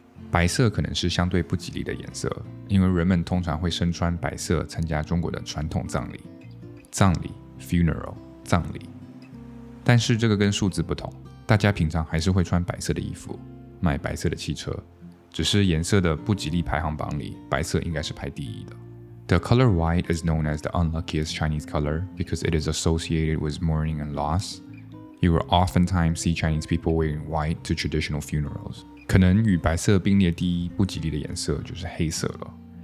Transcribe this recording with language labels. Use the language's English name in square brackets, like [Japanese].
[Chinese] 白色可能是相对不吉利的颜色，因为人们通常会身穿白色参加中国的传统葬礼。葬礼 funeral， 葬礼。但是这个跟数字不同，大家平常还是会穿白色的衣服，买白色的汽车，只是颜色的不吉利排行榜里，白色应该是排第一的。 [English] The color white is known as the unluckiest Chinese color because it is associated with mourning and loss. You will oftentimes see Chinese people wearing white to traditional funerals. [Chinese] 可能与白色并列第一不吉利的颜色就是黑色了。